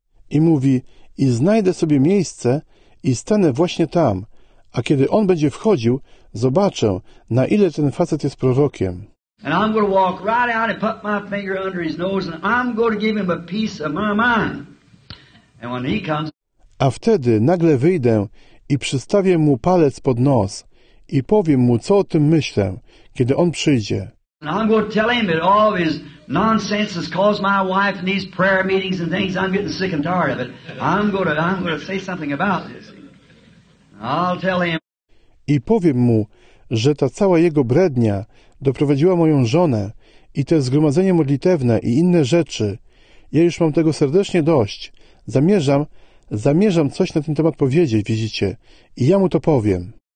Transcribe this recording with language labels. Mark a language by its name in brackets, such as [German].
[Polish] I mówi, i znajdę sobie miejsce i stanę właśnie tam, a kiedy on będzie wchodził, zobaczę, na ile ten facet jest prorokiem. [English] And I'm going to walk right out and put my finger under his nose and I'm going to give him a piece of my mind. And when he comes... [Polish] A wtedy nagle wyjdę i przystawię mu palec pod nos i powiem mu, co o tym myślę, kiedy on przyjdzie. [English] And I'm going to tell him that all of his nonsense has caused my wife in these prayer meetings and things. I'm getting sick and tired of it. I'm going to say something about this. I'll tell him. [Polish] I powiem mu, że ta cała jego brednia doprowadziła moją żonę i te zgromadzenie modlitewne i inne rzeczy. Ja już mam tego serdecznie dość. Zamierzam coś na ten temat powiedzieć, widzicie. I ja mu to powiem.